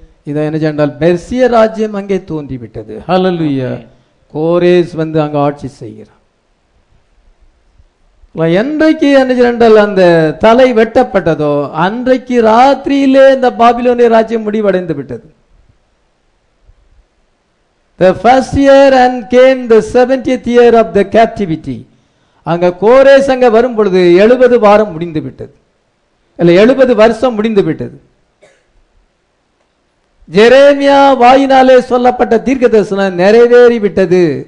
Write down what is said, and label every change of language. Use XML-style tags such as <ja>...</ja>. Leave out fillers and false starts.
<ta>இதை என்ன பெர்சிய ராஜ்யம் அங்கே தோன்றி விட்டது. ஹல்லேலூயா. கோரேஸ் வந்து அங்க ஆட்சி செய்கிறான். என்றைக்கு என்ன அந்த தலை வெட்டப்பட்டதோ அன்றைக்கு ராத்திரியிலே இந்த பாபிலோனிய ராஜ்யம் முடிவடைந்து விட்டது.</ta> <en>The first year and came the 70th year of the captivity.</en> <ta>அங்க கோரேஸ் அங்க வரும் பொழுது 70 வாரம் முடிந்து விட்டது, இல்ல 70 வருஷம் முடிந்து விட்டது. ஜெரேமியா வாயினாலே சொல்லப்பட்ட தீர்க்க தரிசனம் நிறைவேறி விட்டது.</ta>